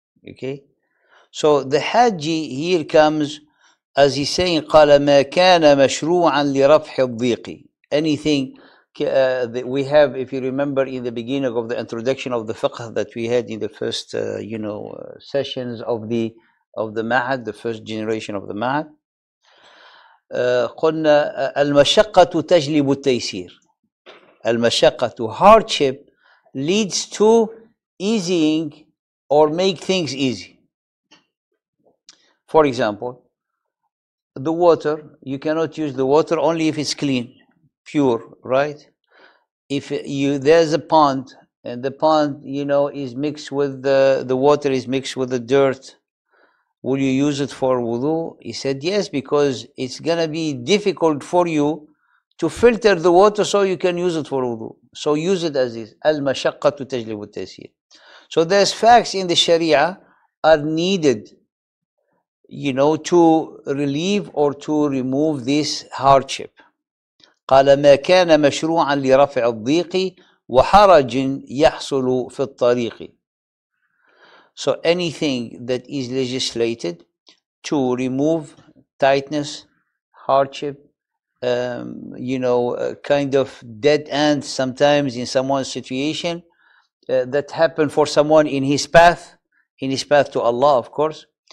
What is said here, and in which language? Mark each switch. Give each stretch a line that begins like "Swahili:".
English: Okay, so the Haji here comes, as he's saying,
Arabic: قَالَ مَا كَانَ مَشْرُوعًا لِرَفْحِ الضِّيقِ
English: anything. We have, if you remember, in the beginning of the introduction of the fiqh that we had in the first, sessions of the ma'had, the first generation of the ma'had.
Arabic: قلنا المشقة تجلب التيسير.
English: المشقة, hardship, leads to easing or make things easy. For example, the water, you cannot use the water only if it's clean, pure, right? If you, there's a pond, and the pond, you know, is mixed with the water is mixed with the dirt, will you use it for wudu? He said yes, because it's gonna be difficult for you to filter the water so you can use it for wudu. So use it as is.
Arabic: Al-mashaqqatu tajlibu at-taysir.
English: So there's facts in the Sharia are needed, you know, to relieve or to remove this hardship.
Arabic: قال ما كان مشروعا لرفع الضيق وحرج يحصل في الطريق.
English: So anything that is legislated to remove tightness, hardship, you know, kind of dead end sometimes in someone's situation, that happened for someone in his path, in his path to Allah, of course.